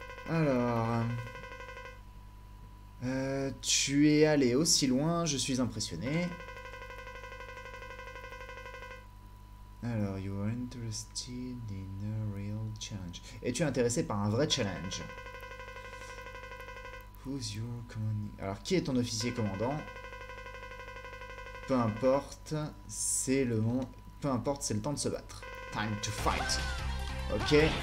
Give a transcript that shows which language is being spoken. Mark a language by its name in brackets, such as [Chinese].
[French] Alors, tu es allé aussi loin, je suis impressionné. [English] Alors, you are interested in a real challenge. [French] Es-tu intéressé par un vrai challenge? [English] Who's your commanding? [French] Alors, qui est ton officier commandant? Peu importe, c'est le moment. Peu importe, c'est le temps de se battre. [English] Time to fight. Ok.